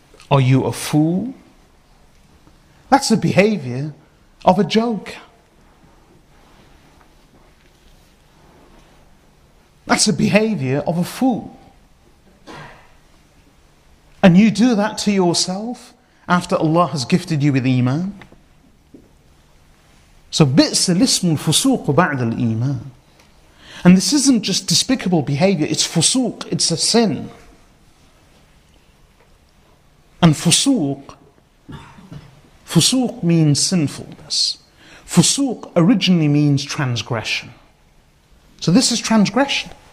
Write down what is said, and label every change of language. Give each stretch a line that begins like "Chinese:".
English: Are you a fool? That's the behaviour of a joker. That's the behaviour of a fool. And you do that to yourself after Allah has gifted you with iman? So
Arabic: بئس الاسم الفسوق بعد الإيمان.
English: And this isn't just despicable behavior, it's فسوق, it's a sin. And فسوق means sinfulness. فسوق originally means transgression. So this is transgression.